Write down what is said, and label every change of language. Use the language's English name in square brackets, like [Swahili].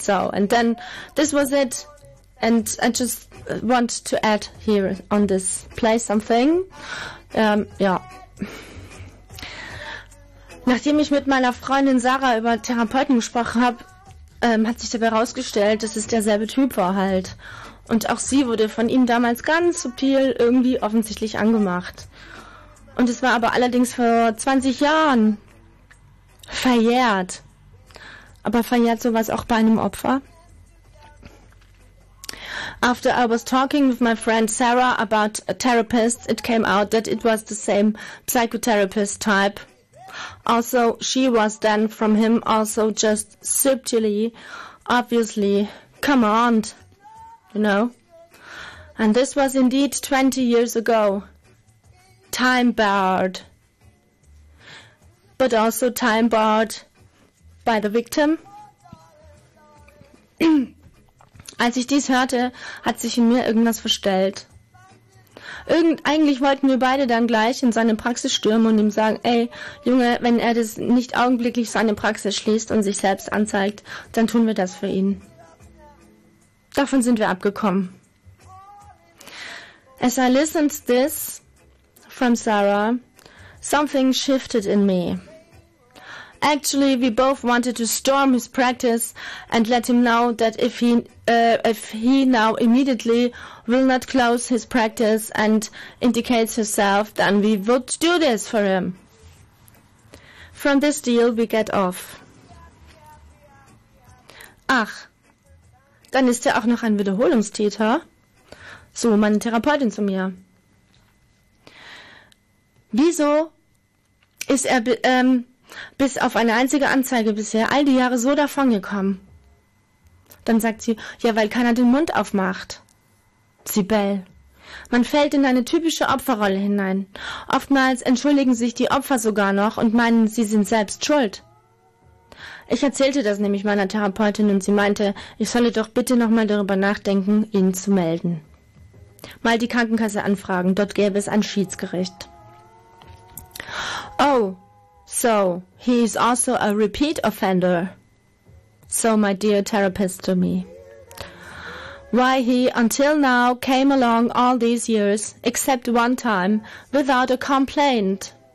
[English] So, and then this was it, and I just want to add here on this place something. [German] Nachdem ich mit meiner Freundin Sarah über Therapeuten gesprochen habe, hat sich dabei herausgestellt, dass es derselbe Typ war halt. Und auch sie wurde von ihm damals ganz subtil irgendwie offensichtlich angemacht. Und es war aber allerdings vor 20 Jahren verjährt. Aber verjährt sowas auch bei einem Opfer? [English] After I was talking with my friend Sarah about a therapist, it came out that it was the same psychotherapist type. Also, she was then from him also just subtly, obviously, command, you know. And this was indeed 20 years ago. Time barred. But also time barred by the victim. [German] Als ich dies hörte, hat sich in mir irgendwas verstellt. Eigentlich wollten wir beide dann gleich in seine Praxis stürmen und ihm sagen, ey, Junge, wenn er das nicht augenblicklich seine Praxis schließt und sich selbst anzeigt, dann tun wir das für ihn. Davon sind wir abgekommen. [English] As I listened to this from Sarah, something shifted in me. Actually, we both wanted to storm his practice and let him know that if he now immediately will not close his practice and indicates himself, then we would do this for him. From this deal, we get off. [German] Ach, dann ist er auch noch ein Wiederholungstäter. So, meine Therapeutin zu mir. Wieso ist er bis auf eine einzige Anzeige bisher all die Jahre so davongekommen? Dann sagt sie, ja, weil keiner den Mund aufmacht. Sibel, man fällt in eine typische Opferrolle hinein. Oftmals entschuldigen sich die Opfer sogar noch und meinen, sie sind selbst schuld. Ich erzählte das nämlich meiner Therapeutin und sie meinte, ich solle doch bitte nochmal darüber nachdenken, ihn zu melden. Mal die Krankenkasse anfragen, dort gäbe es ein Schiedsgericht. [English] Oh, so, he is also a repeat offender. So, my dear therapist to me. Why he, until now, came along all these years, except one time, without a complaint.